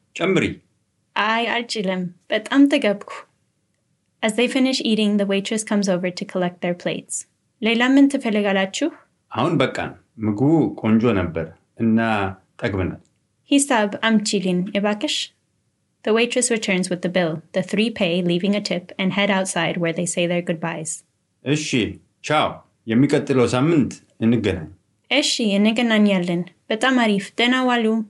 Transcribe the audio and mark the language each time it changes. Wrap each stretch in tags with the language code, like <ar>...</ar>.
<am>ጨምሪ። አይ አልችልም፣ በጣም ተገብኩ።</am> <en>As they finish eating, the waitress comes over to collect their plates.</en> <am>ሌላ ምን ትፈልጋላችሁ? አሁን በቃ ምግቡ ቆንጆ ነበር እና ጠግበናል። ሂሳብ አምጪልኝ እባክሽ።</am> <en>The waitress returns with the bill. The three pay, leaving a tip, and head outside where they say their goodbyes.</en> <am>እሺ ቻው፣ የሚቀጥለው ሳምንት እንገናኝ። እሺ እንገናኛለን። በጣም አሪፍ። ደህና ዋሉ።</am>